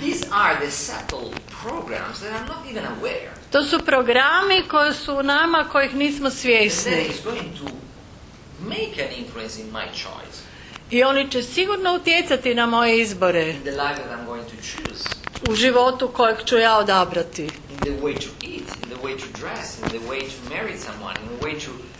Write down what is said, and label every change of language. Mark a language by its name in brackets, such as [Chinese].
[English] These are the subtle programs that I'm not even aware. [Croatian] To su programi koji su u nama kojih nismo svjesni. [English] And it's going to make an influence in my choice. [Croatian] I oni će sigurno utjecati na moje izbore. [English] In the life that I'm going to choose. [Croatian] U životu kojeg ću ja odabrati. [English] In the way to eat, in the way to dress, in the way to marry someone, in the way to